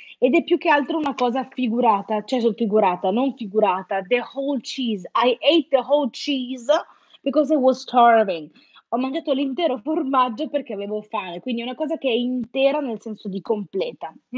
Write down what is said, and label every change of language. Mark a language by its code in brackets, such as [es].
[it] Ed è più che altro una cosa figurata, cioè sottofigurata, non figurata. [en] The whole cheese. I ate the whole cheese because I was starving. [it] Ho mangiato l'intero formaggio perché avevo fame, quindi è una cosa che è intera nel senso di completa.